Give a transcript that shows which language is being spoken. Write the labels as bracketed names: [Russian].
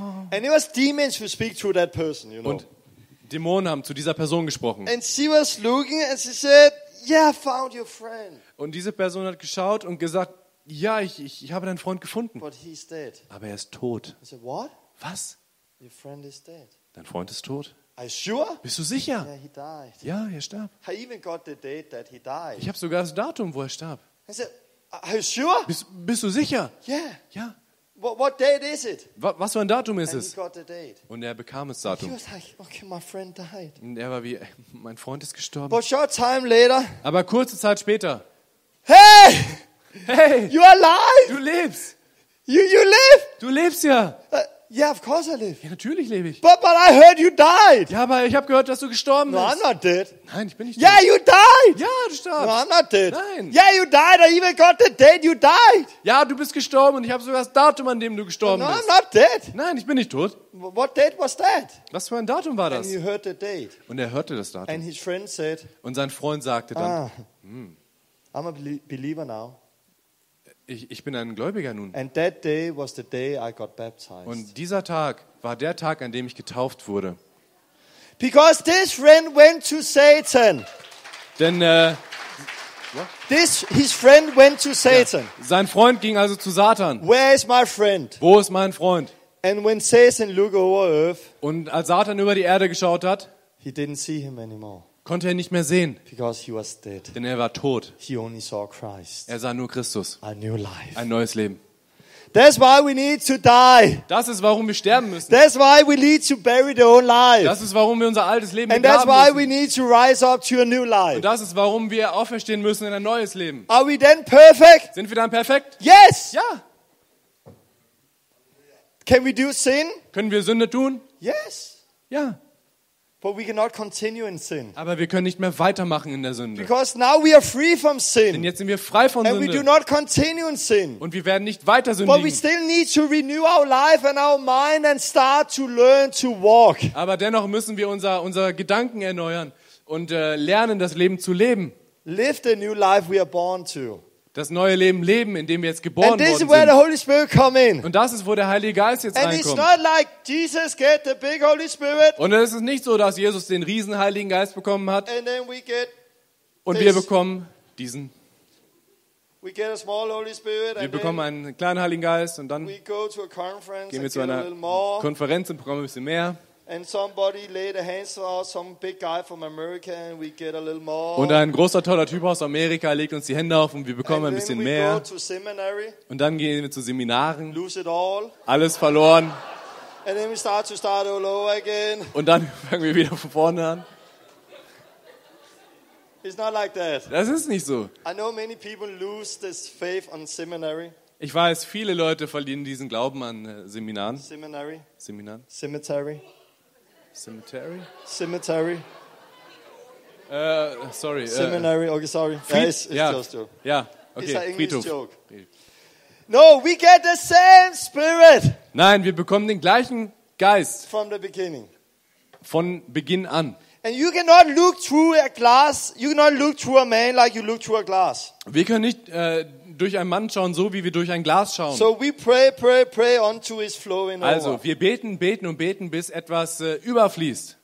[English] And it was demons who speak to that person, you know. [German] Und Dämonen haben zu dieser Person gesprochen. [English] And she was looking and she said, yeah, I found your friend. [German] Und diese Person hat geschaut und gesagt, ja, ich habe deinen Freund gefunden. [English] But he's dead. [German] Aber er ist tot. [English] I said, what? [German] Was? [English] Your friend is dead. [German] Dein Freund ist tot. [English] Are you sure? [German] Bist du sicher? [English] Yeah, he died. [German] Ja, er starb. [English] I even got the date that he died. [German] Ich habe sogar das Datum, wo er starb. [English] I said, are you sure? [German] Bist du sicher? [English] Yeah. [German] Ja. [English] What date is it? [German] Was für ein Datum ist es? [English] And he got the date. [German] Und er bekam das Datum. [English] He was like, okay, my friend died. [German] Und er war wie, mein Freund ist gestorben. [English] But short time later. [German] Aber kurze Zeit später. [English] Hey! You are alive! [German] Du lebst! [English] You live! [German] Du lebst ja! [English] Yeah, of course I live. [German] Ja, natürlich lebe ich. [English] But I heard you died. [German] Ja, aber ich habe gehört, dass du gestorben bist. [English] No, I'm not dead. [German] Nein, ich bin nicht [English] dead. Yeah, you died. [German] Ja, du starbst. [English] No, I'm not dead. [German] Nein. [English] Yeah, you died. I even got the date you died. [German] Ja, du bist gestorben und ich habe sogar das Datum, an dem du gestorben bist. [English] No, I'm not dead. [German] Nein, ich bin nicht tot. [English] What date was that? [German] Was für ein Datum war das? [English] And you heard the date. [German] Und er hörte das Datum. [English] And his friend said. [German] Und sein Freund sagte dann. [English] Ah, I'm a believer now. [German] Ich bin ein Gläubiger nun. [English] And that day was the day I got baptized. [German] Und dieser Tag war der Tag, an dem ich getauft wurde. [English] Because this friend went to Satan. [German] Denn [English] his friend went to Satan. Ja. [German] Sein Freund ging also zu Satan. [English] Where is my friend? [German] Wo ist mein Freund? [English] And when Satan looked over Earth, [German] und als Satan über die Erde geschaut hat, [English] he didn't see him anymore. [German] Konnte er nicht mehr sehen. [English] Because he was dead. [German] Denn er war tot. [English] He only saw Christ. [German] Er sah nur Christus. [English] A new life. [German] Ein neues Leben. [English] That's why we need to die. [German] Das ist, warum wir sterben müssen. [English] That's why we need to bury the old life. [German] Das ist, warum wir unser altes Leben begraben müssen. [English] And that's why we need to rise up to a new life. [German] Und das ist, warum wir auferstehen müssen in ein neues Leben. [English] Are we then perfect? [German] Sind wir dann perfekt? [English] Yes! [German] Ja! [English] Can we do sin? [German] Können wir Sünde tun? [English] Yes! [German] Ja! [English] But we cannot continue in sin. [German] Aber wir können nicht mehr weitermachen in der Sünde. [English] Because now we are free from sin. [German] Denn jetzt sind wir frei von Sünde. [English] And we do not continue in sin. [German] Und wir werden nicht weiter sündigen. [English] But we still need to renew our life and our mind and start to learn to walk. [German] Aber dennoch müssen wir unsere Gedanken erneuern und lernen, das Leben zu leben. [English] Live the new life we are born to. [German] Das neue Leben leben, in dem wir jetzt geboren worden sind. [English] And this is where the Holy Spirit come in. [German] Und das ist, wo der Heilige Geist jetzt [English] and [German] reinkommt. [English] It's not like Jesus get the big Holy Spirit. [German] Und es ist nicht so, dass Jesus den riesen Heiligen Geist bekommen hat. [English] And then we get [German] und wir bekommen diesen. [English] We get a small Holy Spirit, [German] wir bekommen einen kleinen Heiligen Geist und dann [English] we go to a conference [German] gehen wir zu einer Konferenz und bekommen ein bisschen mehr. [English] And somebody laid a hand on us, some big guy from America, and we get a little more. [German] Und ein großer toller Typ aus Amerika legt uns die Hände auf und wir bekommen ein bisschen mehr. [English] And then we go to seminary. [German] Und dann gehen wir zu Seminaren. [English] Lose it all. [German] Alles verloren. [English] And then we start to start all over again. [German] Und dann fangen wir wieder von vorne an. [English] It's not like that. [German] Das ist nicht so. [English] I know many people lose this faith on seminary. [German] Ich weiß, viele Leute verlieren diesen Glauben an Seminaren. [English] Seminary. [German] Seminaren. [English] Cemetery. Cemetery? Cemetery. Sorry. Seminary, okay, sorry. It's yeah. Just a joke. Yeah, okay. It's an English Friedhof. Joke. No, we get the same spirit. [German] Nein, wir bekommen den gleichen Geist. [English] From the beginning. [German] Von Beginn an. [English] And you cannot look through a glass. You cannot look through a man like you look through a glass. [German] Wir können nicht durch einen Mann schauen, so wie wir durch ein Glas schauen. [English] So we pray onto his flowing. [German] Also wir beten und beten, bis etwas überfließt.